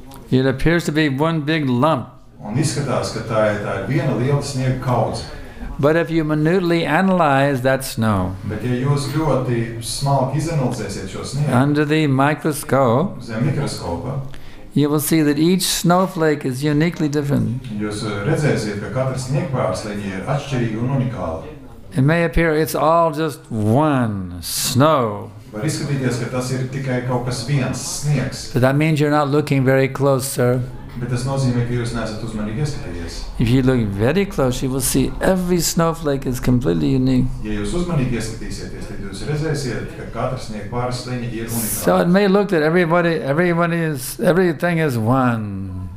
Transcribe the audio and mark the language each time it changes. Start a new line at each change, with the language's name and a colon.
English: It appears to be one big lump.
Latvian: Un izskatās, ka tā ir viena liela sniega kaudze.
English: But if you minutely analyze that snow,
Latvian: bet ja jūs ļoti smalki izanalizēsiet šo sniegu,
English: under the microscope,
Latvian: zem mikroskopa,
English: you will see that each snowflake is uniquely different.
Latvian: Jūs redzēsiet, ka katra sniegpārsliņa ir atšķirīga un unikāla.
English: It may appear it's all just one snow.
Latvian: Var izskatīties, ka tas ir tikai kaut kas viens sniegs.
English: But that means you're not looking very close, sir.
Latvian: Bet tas nozīmē, ka jūs neesat uzmanīgi ieskatījies.
English: If you look very close, you will see every snowflake is completely unique.
Latvian: Ja jūs uzmanīgi ieskatīsieties, tad jūs redzēsiet, ka katra sniegpārsliņa ir unikāla.
English: So it may look that everybody is, everything is one.